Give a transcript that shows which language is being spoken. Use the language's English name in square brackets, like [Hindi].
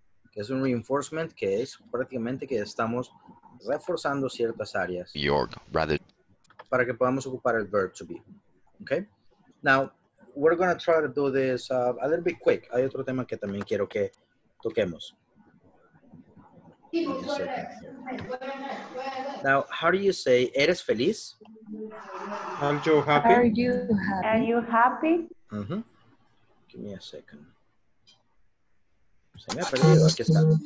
[Spanish] Que es un reinforcement que es prácticamente que estamos reforzando ciertas áreas. [English] York, rather. [Spanish] Para que podamos ocupar el verb to be. Okay? [English] Now, we're going to try to do this a little bit quick. [Spanish] Hay otro tema que también quiero que toquemos. [English] Now, how do you say, [Spanish] ¿eres feliz? [English] Are you happy? Are you happy? Are you happy? Give me a second. [Spanish] Se me ha perdido, aquí está.